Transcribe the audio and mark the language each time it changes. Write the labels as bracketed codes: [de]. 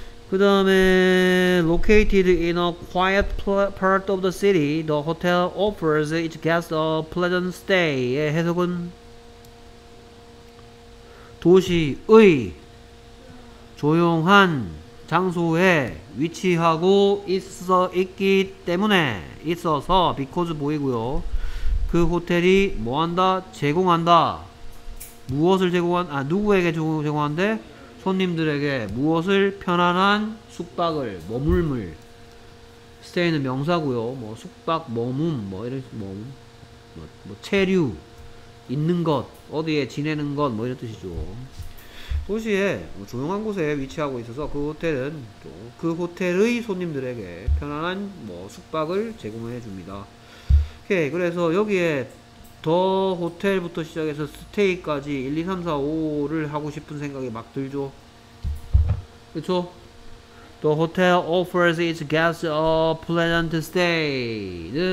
[en] 그 다음에 located in a quiet part of the city, the hotel offers its guests a pleasant stay. [ko] 예, 해석은 도시의 조용한 장소에 위치하고 있어 있기 때문에 있어서 because 보이고요. 그 호텔이 뭐한다? 제공한다. 무엇을 제공한? 아 누구에게 제공한대? 손님들에게 무엇을 편안한 숙박을 머물물 스테이는 명사고요. 뭐 숙박 머뭄 뭐 이런 뭐 체류 있는 것 어디에 지내는 것 뭐 이런 뜻이죠. 도시에 조용한 곳에 위치하고 있어서 그 호텔은 또 그 호텔의 손님들에게 편안한 뭐 숙박을 제공해 줍니다. 오케이. 그래서 여기에 더 호텔부터 시작해서 스테이까지 1, 2, 3, 4, 5를 하고 싶은 생각이 막 들죠. 그렇죠? [en] The hotel offers its guests a pleasant stay.